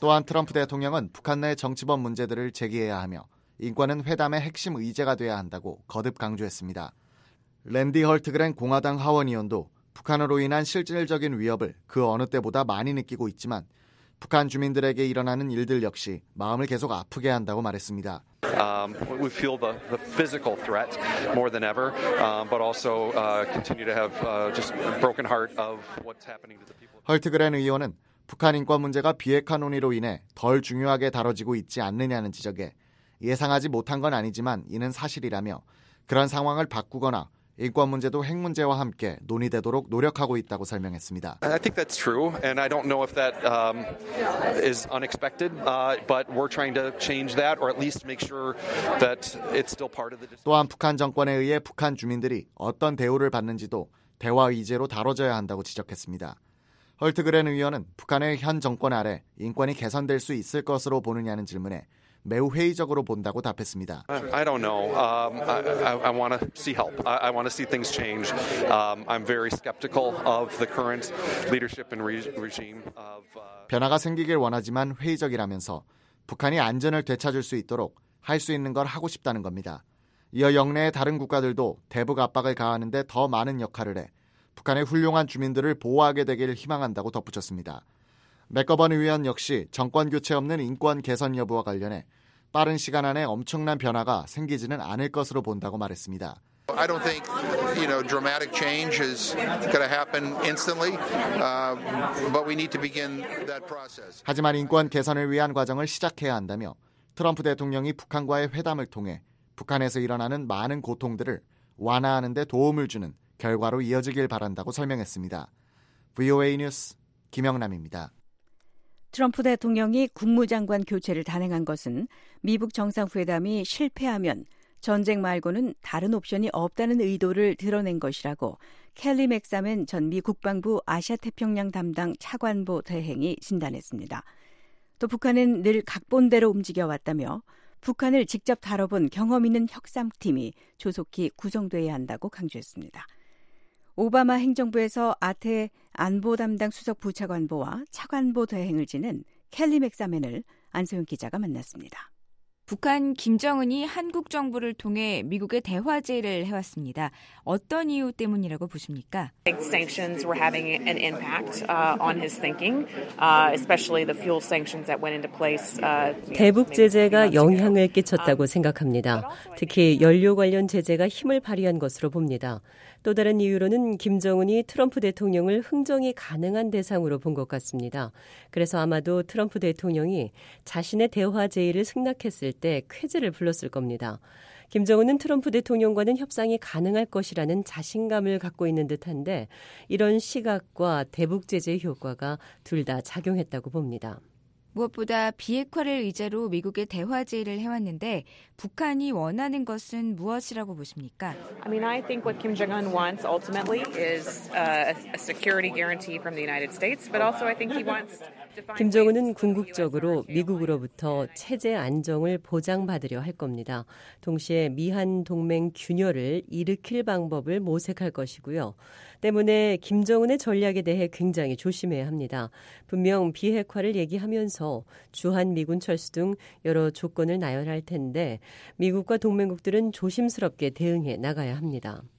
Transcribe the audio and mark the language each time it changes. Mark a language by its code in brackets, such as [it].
[ko] 또한 트럼프 대통령은 북한 내 정치범 문제들을 제기해야 하며 인권은 회담의 핵심 의제가 돼야 한다고 거듭 강조했습니다. 랜디 헐트그랜 공화당 하원 의원도 북한으로 인한 실질적인 위협을 그 어느 때보다 많이 느끼고 있지만 북한 주민들에게 일어나는 일들 역시 마음을 계속 아프게 한다고 말했습니다. [en] We feel the physical threat more than ever, but also continue to have just broken heart of what's happening to the people. [ko] 헐트그렌 의원은 북한 인권 문제가 비핵화 논의로 인해 덜 중요하게 다뤄지고 있지 않느냐는 지적에 예상하지 못한 건 아니지만 이는 사실이라며 그런 상황을 바꾸거나 인권 문제도 핵 문제와 함께 논의되도록 노력하고 있다고 설명했습니다. [en] I think that's true, and I don't know if that is unexpected, but we're trying to change that, or at least make sure that it's still part of the. [ko] 또한 북한 정권에 의해 북한 주민들이 어떤 대우를 받는지도 대화 의제로 다뤄져야 한다고 지적했습니다. 헐트그렌 의원은 북한의 현 정권 아래 인권이 개선될 수 있을 것으로 보느냐는 질문에 매우 회의적으로 본다고 답했습니다. [en] I don't know. I want to see help. I want to see things change. I'm very skeptical of the current leadership and regime of. [ko] 변화가 생기길 원하지만 회의적이라면서 북한이 안전을 되찾을 수 있도록 할 수 있는 걸 하고 싶다는 겁니다. 이어 영내의 다른 국가들도 대북 압박을 가하는 데 더 많은 역할을 해 북한의 훌륭한 주민들을 보호하게 되기를 희망한다고 덧붙였습니다. 맥거번 의원 역시 정권 교체 없는 인권 개선 여부와 관련해 빠른 시간 안에 엄청난 변화가 생기지는 않을 것으로 본다고 말했습니다. [en] I don't think, you know, dramatic change is going to happen instantly, but we need to begin that process. [ko] 하지만 인권 개선을 위한 과정을 시작해야 한다며 트럼프 대통령이 북한과의 회담을 통해 북한에서 일어나는 많은 고통들을 완화하는 데 도움을 주는 결과로 이어지길 바란다고 설명했습니다. VOA 뉴스 김영남입니다. 트럼프 대통령이 국무장관 교체를 단행한 것은 미북 정상회담이 실패하면 전쟁 말고는 다른 옵션이 없다는 의도를 드러낸 것이라고 켈리 맥사멘 전 미 국방부 아시아태평양 담당 차관보 대행이 진단했습니다. 또 북한은 늘 각본대로 움직여왔다며 북한을 직접 다뤄본 경험 있는 협상팀이 조속히 구성돼야 한다고 강조했습니다. 오바마 행정부에서 아태 안보 담당 수석 부차관보와 차관보 대행을 지낸 켈리 맥사멘을 안소영 기자가 만났습니다. 북한 김정은이 한국 정부를 통해 미국의 대화 제의를 해왔습니다. 어떤 이유 때문이라고 보십니까? [en] Sanctions were having an impact on his thinking, especially the fuel sanctions that went into place. [ko] 대북 제재가 영향을 끼쳤다고 생각합니다. 특히 연료 관련 제재가 힘을 발휘한 것으로 봅니다. 또 다른 이유로는 김정은이 트럼프 대통령을 흥정이 가능한 대상으로 본 것 같습니다. 그래서 아마도 트럼프 대통령이 자신의 대화 제의를 승낙했을 때 쾌재를 불렀을 겁니다. 김정은은 트럼프 대통령과는 협상이 가능할 것이라는 자신감을 갖고 있는 듯한데 이런 시각과 대북 제재의 효과가 둘 다 작용했다고 봅니다. 무엇보다 비핵화를 의제로 미국의 대화 제의를 해왔는데 북한이 원하는 것은 무엇이라고 보십니까? [en] I mean, I think what Kim Jong-un wants ultimately is a security guarantee from the United States, but also I think he wants. [ko] 김정은은 궁극적으로 미국으로부터 체제 안정을 보장받으려 할 겁니다. 동시에 미한 동맹 균열을 일으킬 방법을 모색할 것이고요. 때문에 김정은의 전략에 대해 굉장히 조심해야 합니다. 분명 비핵화를 얘기하면서 주한미군 철수 등 여러 조건을 나열할 텐데 미국과 동맹국들은 조심스럽게 대응해 나가야 합니다.